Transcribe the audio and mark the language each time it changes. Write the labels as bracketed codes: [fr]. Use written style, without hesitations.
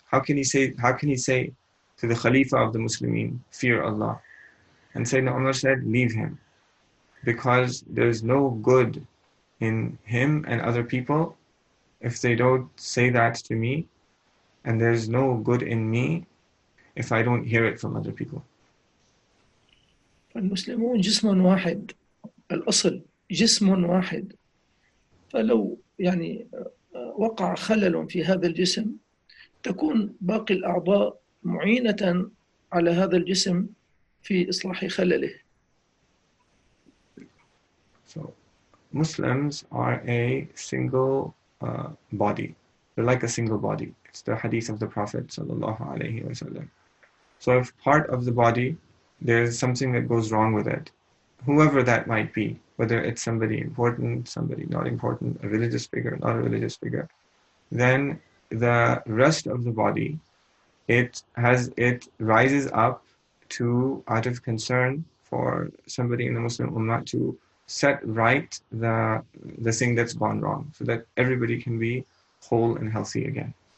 [en] How can he say to the Khalifa of the Muslimin, fear Allah? And Sayyidina Umar said, leave him. Because there's no good in him and other people if they don't say that to me. And there's no good in me if I don't hear it from other people. [ar] فالمسلمون جسم واحد, الأصل جسم واحد, فلو يعني وقع خلل في هذا الجسم تكون باقي الأعضاء معينة على هذا الجسم في إصلاح خلله. [en] So Muslims are a single body. They're like a single body. It's the hadith of the Prophet sallallahu alaihi wasallam. So if part of the body, there's something that goes wrong with it, whoever that might be, whether it's somebody important, somebody not important, a religious figure, not a religious figure, then the rest of the body, it rises up to, out of concern for somebody in the Muslim Ummah, to set right the thing that's gone wrong, so that everybody can be whole and healthy again.